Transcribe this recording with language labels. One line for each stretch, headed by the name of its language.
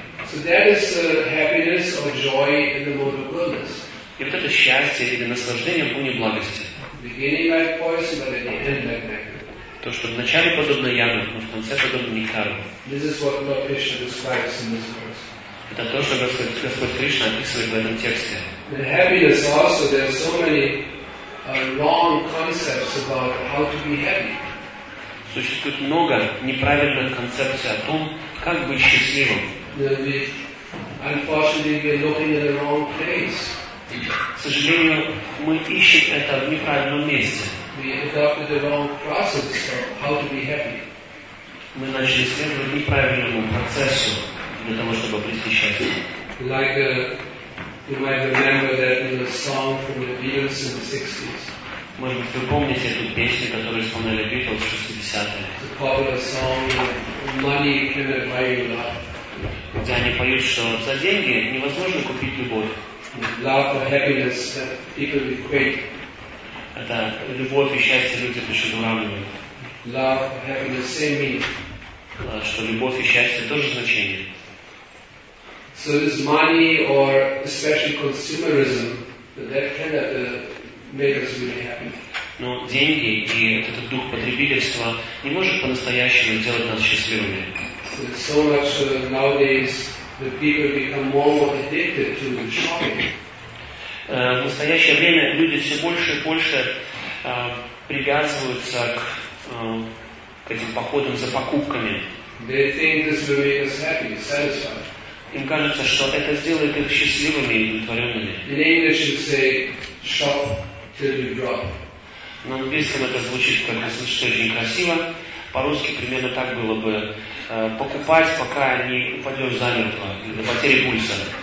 English: So that is happiness or joy in the mode of wellness.
Russian: И вот это счастье или наслаждение в уме благости.
English: Like poison, but at the end like
Russian: то, что вначале подобно яду, но в конце подобно нектару. Это то, что Господь Кришна описывает в этом тексте.
English: And happiness also, there are so many wrong concepts about how to be happy.
Russian: Существует много неправильных концепций о том, как быть счастливым.
English: Unfortunately, we are looking in the wrong place.
Russian: К сожалению, мы ищем это в неправильном месте.
English: We adopted the wrong process of how to be happy.
Russian: Мы начали следовать неправильному процессу для того, чтобы прийти к счастью.
English: Like you might remember that little song from the Beatles in the 60s.
Russian: Может быть, вы помните эту песню, которую исполняли Beatles в 60-е?
English: It's a popular song, money cannot buy you love.
Russian: Где они поют, что за деньги невозможно купить любовь.
English: Love or happiness that people equate.
Russian: Это любовь и счастье люди почему-то уравнивают.
English: Love or happiness, same meaning.
Russian: Что любовь и счастье тоже значение.
English: So this money or especially consumerism that cannot make us really happy.
Russian: Но деньги и этот дух потребительства не может по-настоящему сделать нас счастливыми.
English: So much nowadays the people become more addicted to shopping.
Russian: В настоящее время люди все больше и больше привязываются к этим походам за покупками.
English: They think this will make us happy, satisfied.
Russian: Им кажется, что это сделает их счастливыми и удовлетворенными.
English: In English you say shop till you drop.
Russian: На английском это звучит как очень красиво. По-русски примерно так было бы: покупать, пока не упадешь замертво до потери пульса.